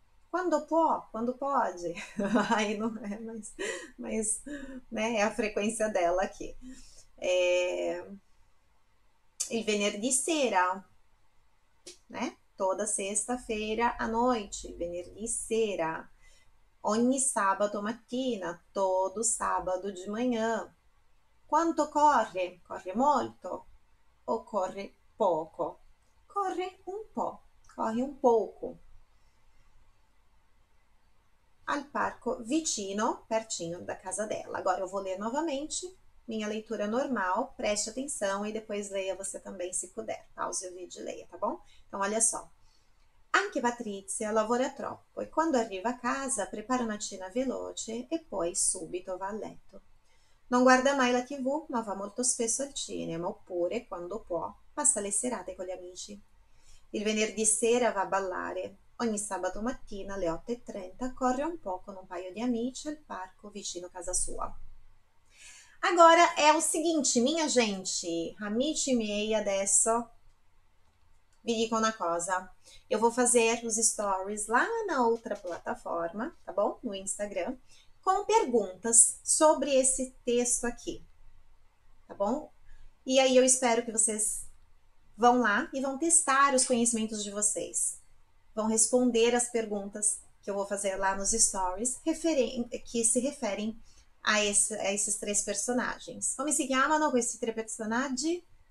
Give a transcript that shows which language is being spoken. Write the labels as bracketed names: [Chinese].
[Italian] Quando può, [Portuguese] quando pode. Aí não é, mas né, é a frequência dela aqui. [Italian] Il venerdì sera, [Portuguese] né? Toda sexta-feira à noite, [Italian] venerdì sera. Ogni sabato mattina, [Portuguese] todo sábado de manhã. [Italian] Quanto corre? Corre molto o corre poco? Corre un po', corre un poco. Al parco vicino, [Portuguese] pertinho da casa dela. Agora eu vou ler novamente minha leitura normal. Preste atenção e depois leia você também, se puder. Pause o vídeo e leia, tá bom? Então, olha só. [Italian] Anche Patrizia lavora troppo e quando arriva a casa prepara una cena veloce e poi subito va a letto. Non guarda mai la TV, ma va molto spesso al cinema oppure, quando può, passa le serate con gli amici. Il venerdì sera va a ballare. Ogni sabato mattina alle 8:30 corre un po' con un paio di amici al parco vicino casa sua. [Portuguese] Agora è o seguinte, minha gente, [Italian] amici miei, adesso vi dico una cosa. [Portuguese] Eu vou fazer os stories lá na outra plataforma, tá bom? No Instagram, com perguntas sobre esse texto aqui, tá bom? E aí eu espero que vocês vão lá e vão testar os conhecimentos de vocês. Vão responder as perguntas que eu vou fazer lá nos stories, que se referem a esses três personagens. [Italian] Come si chiamano questi tre personaggi?